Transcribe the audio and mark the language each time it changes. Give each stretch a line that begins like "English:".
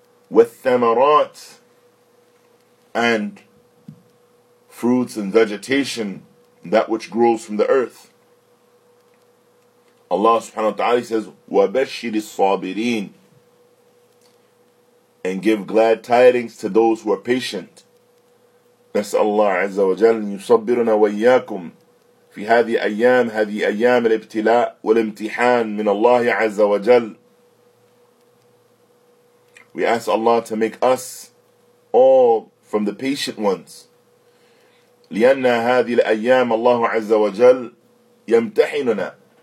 English: والثمرات and fruits and vegetation, that which grows from the earth. Allah subhanahu wa ta'ala says
Arabic: وَبَشِّرِ الصَّابِرِينَ,
English: and give glad tidings to those who are patient.
Arabic: نسأل الله عز وجل أن يصبرنا وإياكم في هذه أيام, هذه أيام الابتلاء والامتحان من الله عز وجل.
English: We ask Allah to make us all from the patient ones.
Arabic: لأن هذه الأيام الله عز وجل يمتحننا.